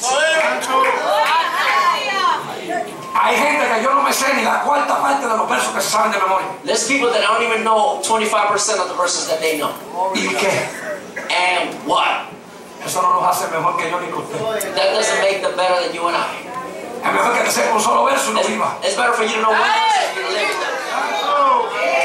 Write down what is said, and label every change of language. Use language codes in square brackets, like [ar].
[es] Hay gente que yo no me sé ni la cuarta parte de los versos que se saben de memoria. [en] There's people that I don't even know 25% of the verses that they know. [es] ¿Y qué? [en] And what? [es] Eso no los hace mejor que yo ni que usted. [en] That doesn't make them better than you and I. [es] Es mejor que te sepa un solo verso y no viva. [en] It's better for you to know one verse than you to live with them.